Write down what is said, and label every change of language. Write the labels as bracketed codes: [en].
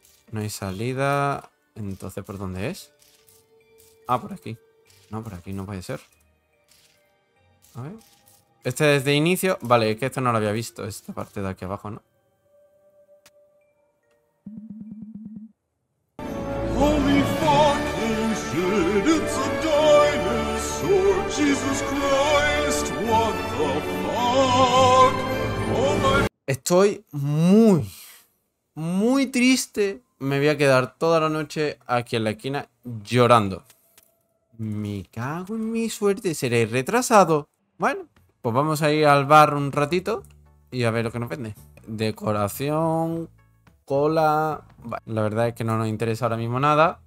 [es] No hay salida. Entonces, ¿por dónde es? Ah, por aquí. No, por aquí no puede ser. A ver. Este desde inicio. Vale, es que esto no lo había visto. Esta parte de aquí abajo, ¿no? [en] Holy fuck, shit, it's a dinosaur. Jesus Christ, what the fuck? [es] Oh my... Estoy muy, muy triste. Me voy a quedar toda la noche aquí en la esquina llorando. Me cago en mi suerte, seré retrasado. Bueno, pues vamos a ir al bar un ratito y a ver lo que nos vende. Decoración, cola... La verdad es que no nos interesa ahora mismo nada.